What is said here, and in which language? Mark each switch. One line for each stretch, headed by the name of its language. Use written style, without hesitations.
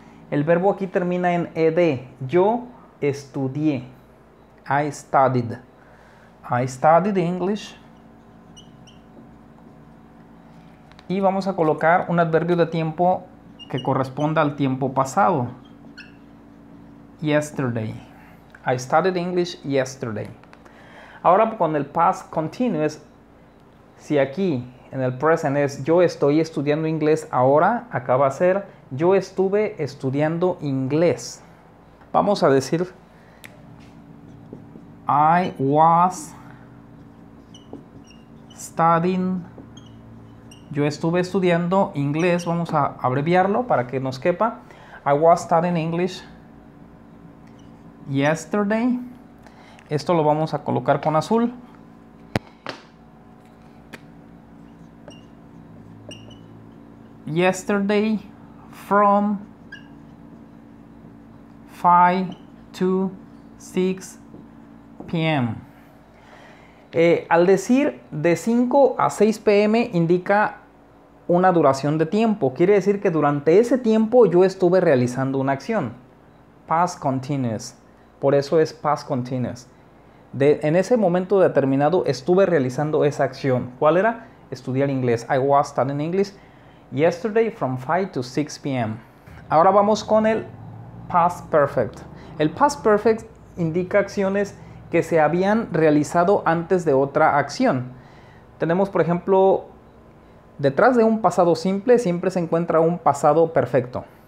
Spanish: El verbo aquí termina en ed. Yo estudié.
English: I studied. I studied English.
Spanish: Y vamos a colocar un adverbio de tiempo que corresponda al tiempo pasado.
English: Yesterday. I studied English yesterday.
Spanish: Ahora con el past continuous, si aquí en el present es yo estoy estudiando inglés ahora, acá va a ser yo estuve estudiando inglés. Vamos a decir
English: I was studying.
Spanish: Yo estuve estudiando inglés. Vamos a abreviarlo para que nos quepa.
English: I was studying English yesterday.
Spanish: Esto lo vamos a colocar con azul.
English: Yesterday from 5 to 6 p.m.
Spanish: Al decir de 5 a 6 p.m. indica una duración de tiempo. Quiere decir que durante ese tiempo yo estuve realizando una acción. Past continuous. Por eso es past continuous. En ese momento determinado estuve realizando esa acción. ¿Cuál era? Estudiar inglés.
English: I was studying English yesterday from 5 to 6 p.m.
Spanish: Ahora vamos con el past perfect. El past perfect indica acciones que se habían realizado antes de otra acción. Tenemos, por ejemplo, detrás de un pasado simple siempre se encuentra un pasado perfecto.